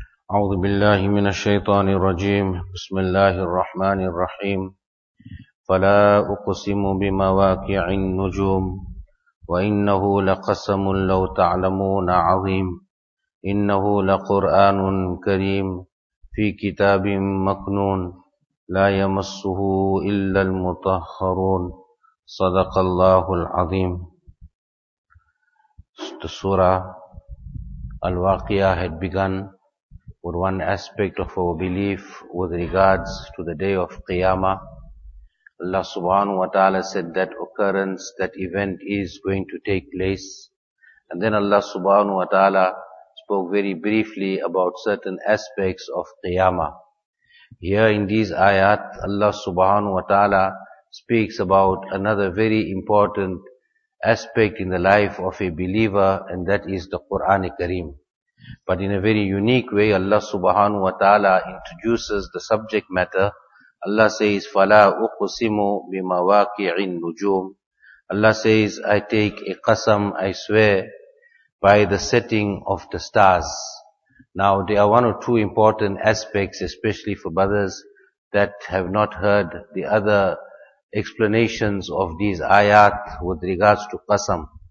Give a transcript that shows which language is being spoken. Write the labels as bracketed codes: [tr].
[ar] أعوذ بالله من الشيطان الرجيم بسم الله الرحمن الرحيم فلا أقسم بمواقع النجوم وإنه لقسم لو تعلمون عظيم إنه لقرآن كريم في كتاب مكنون لا يمسه إلا المطهرون صدق الله العظيم. [en] سورة الواقعة had begun with one aspect of our belief with regards to the day of Qiyamah. Allah subhanahu wa ta'ala said that occurrence, that event is going to take place. And then Allah subhanahu wa ta'ala spoke very briefly about certain aspects of Qiyamah. Here in these ayat, Allah subhanahu wa ta'ala speaks about another very important aspect in the life of a believer, and that is the Qur'an Kareem. But in a very unique way, Allah subhanahu wa ta'ala introduces the subject matter. Allah says, [ar] فَلَا أُقْسِمُ بِمَوَاقِعِ النُّجُومِ. [en] Allah says, I take a qasam, I swear, by the setting of the stars. Now, there are one or two important aspects, especially for brothers that have not heard the other explanations of these ayat with regards to qasam.